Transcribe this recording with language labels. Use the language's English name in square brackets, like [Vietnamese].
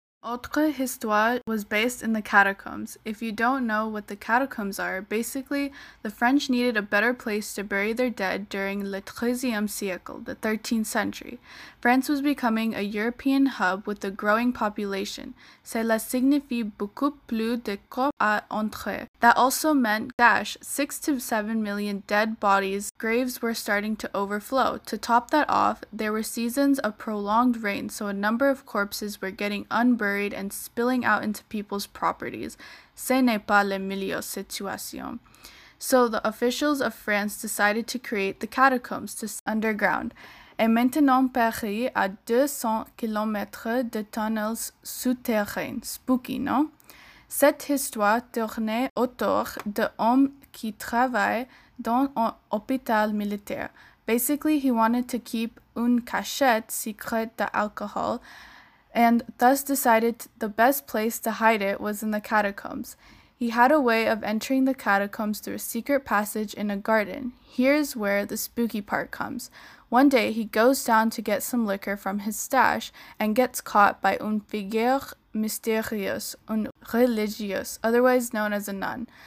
[French] Autre histoire [English] was based in the catacombs. If you don't know what the catacombs are, basically, the French needed a better place to bury their dead during [French] le XIIIe siècle, [English] the 13th century. France was becoming a European hub with a growing population. [French] Cela signifie beaucoup plus de corps à enterrer. [English] That also meant, 6 to 7 million dead bodies, graves were starting to overflow. To top that off, there were seasons of prolonged rain, so a number of corpses were getting unburied and spilling out into people's properties. [French] Ce n'est pas le milieu situation. [English] So the officials of France decided to create the catacombs to underground. [French] Et maintenant Paris a 200 kilometers de tunnels souterrains. [English] Spooky, no? [French] Cette histoire tournait autour d'hommes qui travaillent dans un hôpital militaire. [English] Basically, he wanted to keep [French] une cachette secrète d'alcool [English] and thus decided the best place to hide it was in the catacombs. He had a way of entering the catacombs through a secret passage in a garden. Here's where the spooky part comes. One day, he goes down to get some liquor from his stash and gets caught by [French] une figure mysterious, un religious, [English] otherwise known as a nun.